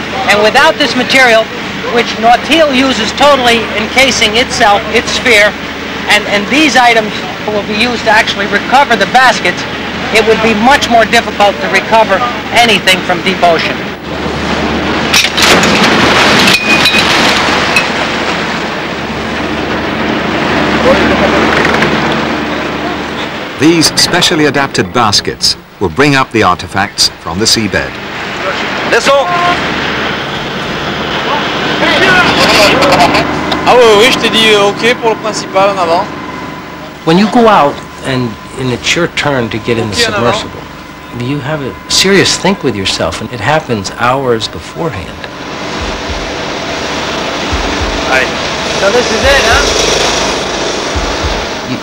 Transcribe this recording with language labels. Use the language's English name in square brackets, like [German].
[English] And without this material, which Nautil uses totally encasing itself, its sphere, and these items will be used to actually recover the baskets, it would be much more difficult to recover anything from deep ocean. These specially adapted baskets will bring up the artifacts from the seabed. [French] Ah oui, je t'ai dit OK pour le principal en avant. [English] When you go out and it's your turn to get in the submersible, you have a serious think with yourself, and it happens hours beforehand. So this is it, huh?